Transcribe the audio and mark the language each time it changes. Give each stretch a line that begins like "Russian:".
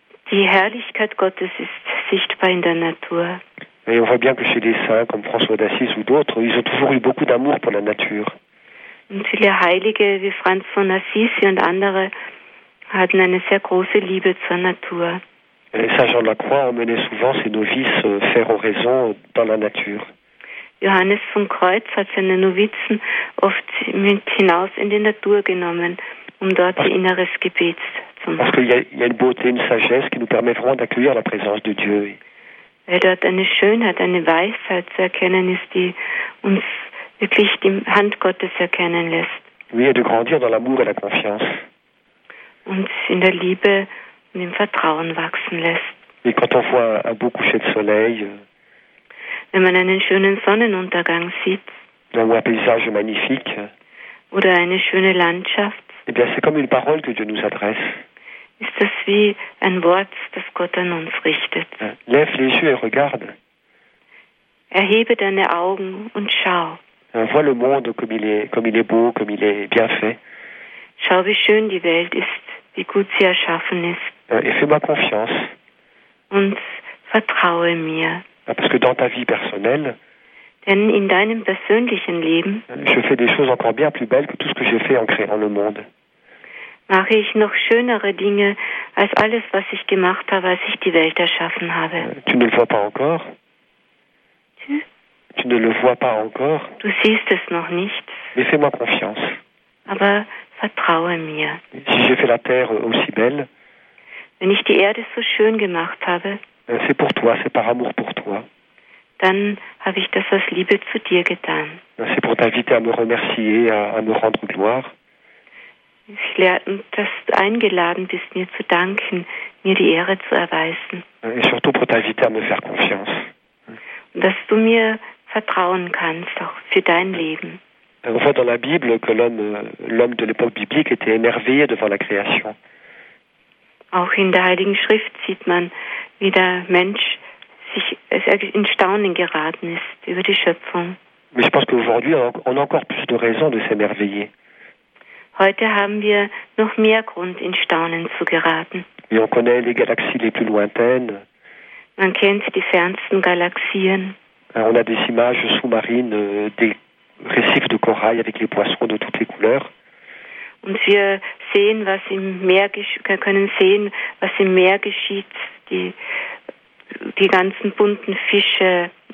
German: Die Herrlichkeit Gottes ist sichtbar in der Natur.
French: Et on voit bien que chez les saints, comme François d'Assise ou d'autres, ils ont toujours eu beaucoup d'amour pour la nature.
German: Und viele Heilige wie Franz von Assisi und andere hatten eine sehr große Liebe zur Natur.
French: Et Saint Jean de la Croix emmenait souvent ses novices faire oraison dans la nature.
German: Johannes vom Kreuz hat seine Novizen oft mit hinaus in die Natur genommen, um dort ihr inneres Gebet zu machen.
French: Parce qu'il y a une beauté, une sagesse qui nous permet vraiment d'accueillir la présence de Dieu.
German: Weil dort eine Schönheit, eine Weisheit zu erkennen ist, die uns wirklich die Hand Gottes erkennen lässt.
French: Oui, et de grandir dans l'amour et la confiance.
German: Und in der Liebe und im Vertrauen wachsen lässt.
French: Et quand on voit un beau coucher de soleil,
German: wenn man einen schönen Sonnenuntergang sieht,
French: ou un paysage magnifique,
German: oder eine schöne Landschaft,
French: et bien c'est comme une parole que Dieu nous adresse.
German: Ist das wie ein Wort, das Gott an uns richtet.
French: Lève les yeux et regarde.
German: Erhebe deine Augen und schau.
French: Vois le monde comme il est beau, comme il est bien fait.
German: Schau, wie schön die Welt ist, wie gut sie erschaffen ist.
French: Et fais-moi confiance.
German: Und vertraue mir.
French: Parce que dans ta vie personnelle,
German: denn in deinem persönlichen Leben,
French: je fais des choses encore bien plus belles que tout ce que j'ai fait en créant le monde.
German: Mache ich noch schönere Dinge als alles, was ich gemacht habe, als ich die Welt erschaffen habe.
French: Tu ne le vois pas encore? Tu ne le vois pas encore?
German: Du siehst es noch nicht.
French: Mais fais-moi confiance.
German: Aber vertraue mir.
French: Si j'ai fait la terre aussi belle,
German: wenn ich die Erde so schön gemacht habe,
French: c'est pour toi, c'est par amour pour toi.
German: Dann habe ich das aus Liebe zu dir getan.
French: C'est pour t'inviter à me remercier, à me rendre gloire.
German: Ich lerne, dass du eingeladen bist, mir zu danken, mir die Ehre zu erweisen.
French: Et surtout pour t'inviter à me faire confiance.
German: Und dass du mir vertrauen kannst, auch für dein Leben.
French: On voit dans la Bible que l'homme de l'époque biblique était émerveillé devant la création.
German: Auch in der Heiligen Schrift sieht man, wie der Mensch sich in Staunen geraten ist über die Schöpfung.
French: Mais je pense qu'aujourd'hui, on a encore plus de raisons de s'émerveiller.
German: Heute haben wir noch mehr Grund, in Staunen zu geraten.
French: Et on connaît les galaxies les plus lointaines.
German: Man kennt die fernsten Galaxien.
French: On a des images sous-marines, des récifs de corail avec les poissons de toutes les couleurs.
German: Und wir sehen, was im Meer können sehen, was im Meer geschieht, die ganzen bunten Fische.